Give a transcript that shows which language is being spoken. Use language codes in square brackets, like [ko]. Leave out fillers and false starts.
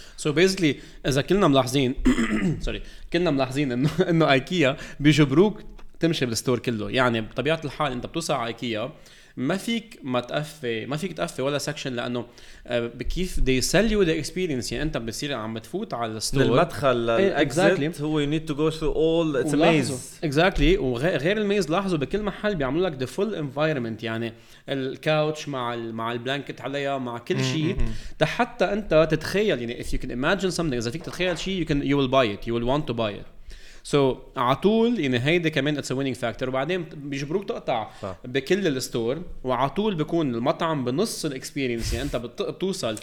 [en] So basically [ar] إذا كلنا ملاحظين sorry كلنا ملاحظين إنه IKEA بيجبروك تمشي بالستور كله يعني بطبيعة الحال أنت بتوصل على IKEA ما فيك تقفي ولا سكشن لأنه بكيف [en] they sell you the experience [ar] يعني أنت بتصير عم تفوت على الستور المدخل [en] exactly هو you need to go through all it's a maze [ar] exactly وغير الميز لاحظوا بكل محل بيعملوا لك [en] the full environment [ar] يعني الكاوتش مع البلانكت عليها مع كل شيء حتى أنت تتخيل يعني [en] if you can imagine something [ar] إذا فيك تتخيل شيء [en] you will buy it you will want to buy it [ar] So عطول يعني هيدا كمان [en] it's a winning factor [ar] وبعدين بيجبروك تقطع بكل الستور وعطول بيكون المطعم بنص الاكسبيرينس يعني انت بتوصل